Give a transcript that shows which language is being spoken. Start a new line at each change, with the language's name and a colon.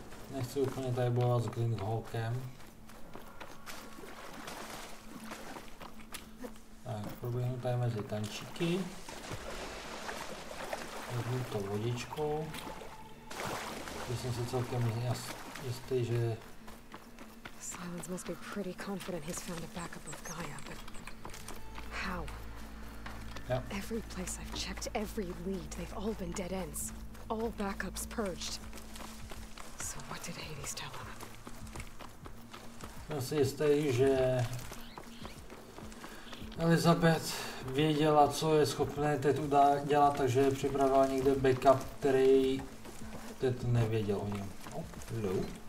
Czech: Nechci úplně tady bojovat s Glinghawkem. Tak, proběhnu tady mezi tančíky. Vezmu to vodičkou. Já jsem si celkem jistý, že...
English: Silence must be pretty confident he's found a backup of Gaia, but... How? Yeah. Every place I've checked, every lead, they've all been dead ends. All backups purged. So what did Hades tell him?
Czech: Já si jistý, že Elizabeth věděla, co je schopné teď udělat, takže připravila někde backup, který teď nevěděl o něm.
English: Hello.